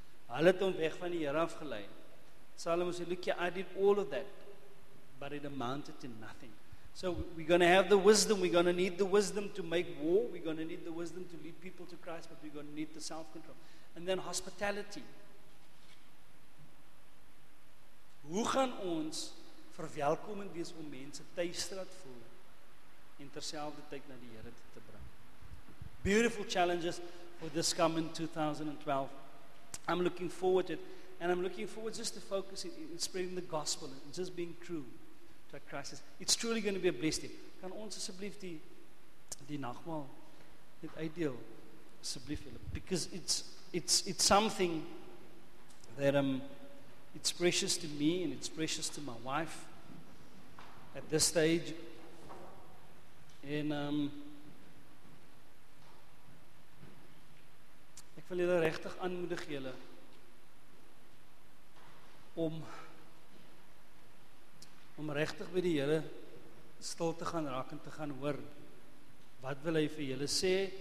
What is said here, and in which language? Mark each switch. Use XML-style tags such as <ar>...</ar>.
<af>Hulle het hom weg van die Here afgelei. Salomo sê,</af> <en>look, I did all of that, but it amounted to nothing. So we're going to have the wisdom, we're going to need the wisdom to make war, we're going to need the wisdom to lead people to Christ, but we're going to need the self-control. And then hospitality.</en> <af>Hoe gaan ons verwelkomend wees om mense tuis te laat voel en terselfde tyd na die Here te bring?</af> <en>Beautiful challenges for this coming 2012. I'm looking forward to it, and I'm looking forward just to focus in spreading the gospel and just being true. That crisis, it's truly going to be a blessing.</en> <af>Kan ons asseblief die nagmaal net uitdeel asseblief,</af> <en>because it's something that it's precious to me and it's precious to my wife at this stage. And</en> <af>ek wil julle regtig aanmoedig julle om om regtig by die Here stil te gaan raak en te gaan hoor wat wil hy vir julle sê.</af>